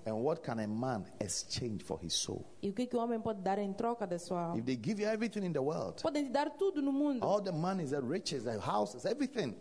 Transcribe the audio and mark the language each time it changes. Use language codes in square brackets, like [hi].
[en] And what can a man exchange for his soul? [pt] E o que o homem pode dar em troca da sua alma? [en] If they give you everything in the world, [pt] podem te dar tudo no mundo. [en] All the money, the riches, the houses, everything.